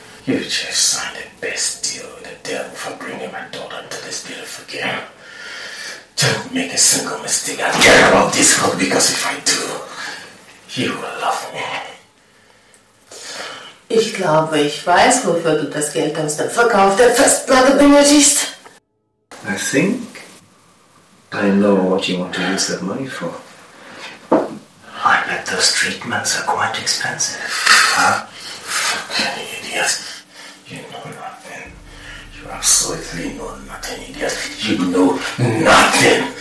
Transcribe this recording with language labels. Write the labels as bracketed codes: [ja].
[en] You just signed the best deal with the devil for bringing my daughter again. Don't make a single mistake. I care about this world because if I do, you will love me. [de] Ich glaube, ich weiß, wofür du das Geld aus dem Verkauf der Festplatte benötigst. [en] I think I know what you want to use that money for. I bet those treatments are quite expensive. Huh? Fucking idiot. You know nothing. You absolutely know nothing, idiot. You know nothing.